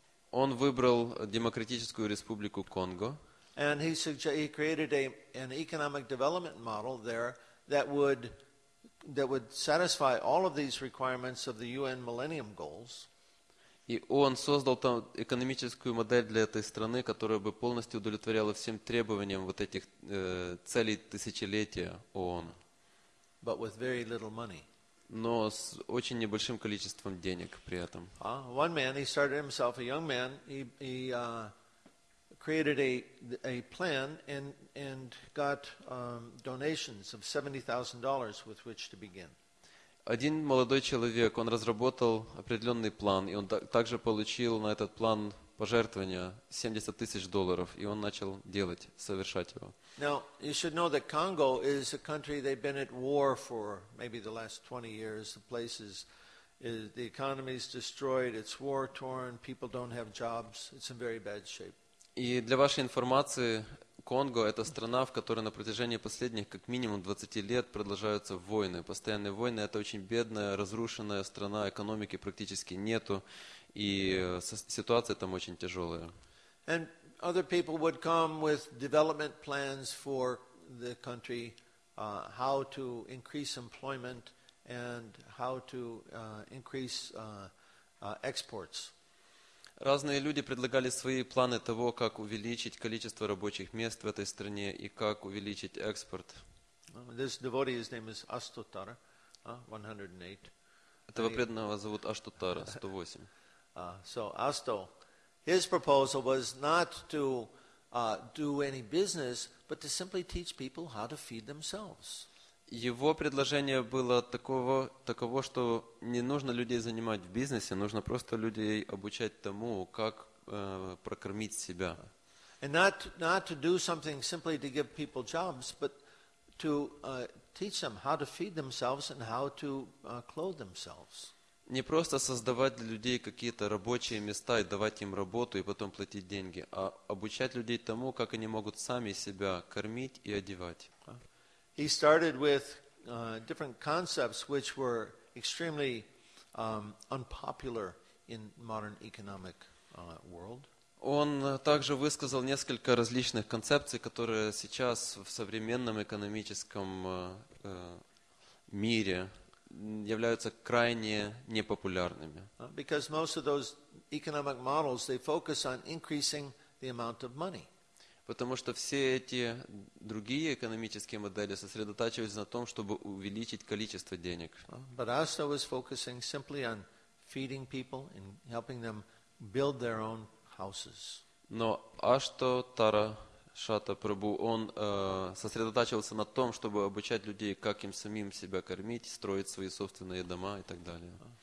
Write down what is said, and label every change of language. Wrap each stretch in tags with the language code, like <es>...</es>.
<ru>Он выбрал Демократическую Республику Конго.</ru> <en>And he created an economic development model there that would satisfy all of these requirements of the UN Millennium Goals.</en> <ru>И он создал там экономическую модель для этой страны, которая бы полностью удовлетворяла всем требованиям вот этих целей тысячелетия ООН.</ru> <en>But with very little money.</en> <ru>Но с очень небольшим количеством денег при этом.</ru> <en>One man, he started himself, a young man, he created a plan and got donations of $70,000 with which to begin.</en> <ru>Один молодой человек, он разработал определенный план, и он также получил на этот план пожертвования $70,000, и он начал делать, совершать его.</ru> <en>Now, you should know that Congo is a country they've been at war for maybe the last 20 years. The place is the economy is destroyed, it's war-torn, people don't have jobs, it's in very bad shape.</en> <ru>И для вашей информации, Конго – это страна, в которой на протяжении последних как минимум 20 лет продолжаются войны. Постоянные войны – это очень бедная, разрушенная страна, экономики практически нету, и ситуация там очень тяжелая.</ru> <en>And other people would come with development plans for the country, how to increase employment and how to increase exports.</en> <ru>Разные люди предлагали свои планы того, как увеличить количество рабочих мест в этой стране и как увеличить экспорт.</ru> <en>This devotee, his name is Ashutara, 108.</en> <ru>Этого преданного зовут Ashutara, 108.</ru> <en>So Asto, his proposal was not to do any business, but to simply teach people how to feed themselves.</en> <ru>Его предложение было таково, что не нужно людей занимать в бизнесе, нужно просто людей обучать тому, как прокормить себя.</ru> <en>And not to do something simply to give people jobs, but to teach them how to feed themselves and how to clothe themselves.</en> <ru>Не просто создавать для людей какие-то рабочие места и давать им работу и потом платить деньги, а обучать людей тому, как они могут сами себя кормить и одевать.</ru> <en>He started with different concepts which were extremely unpopular in modern economic world.</en> <ru>Он также высказал несколько различных концепций, которые сейчас в современном экономическом мире являются крайне непопулярными.</ru> <en>Because most of those economic models, they focus on increasing the amount of money.</en> <ru>Потому что все эти другие экономические модели сосредотачивались на том, чтобы увеличить количество денег.</ru> <en>But Asta was focusing simply on feeding people and helping them build their own houses.</en> <ru>Но Ашта Тара Шата Прабу, он сосредотачивался на том, чтобы обучать людей, как им самим себя кормить, строить свои собственные дома и так далее.</ru>